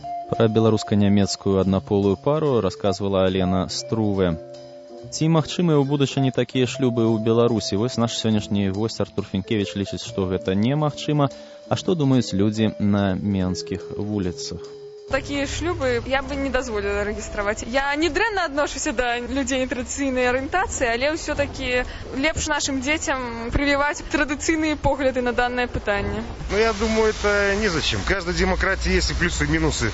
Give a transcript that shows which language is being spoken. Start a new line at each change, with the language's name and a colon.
Russian: Про беларуска-нямецкую однополую пару рассказывала Алена Струве.
Belarusian: Ці магчымыя ў будучыні такія шлюбы ў Беларусі? Вось наш сённяшні госць Артур Фінкевіч лічыць, што гэта немагчыма. А што думаюць людзі на менскіх вуліцах?
Russian: Такие шлюбы я бы не дозволила регистрировать. Я не дрэнна отношусь до людей нетрадиционной ориентации, але все-таки лепш нашим детям прививать традиционные погляды на данное питание. Ну, я думаю, это незачем. В каждой демократии есть и плюсы, и минусы.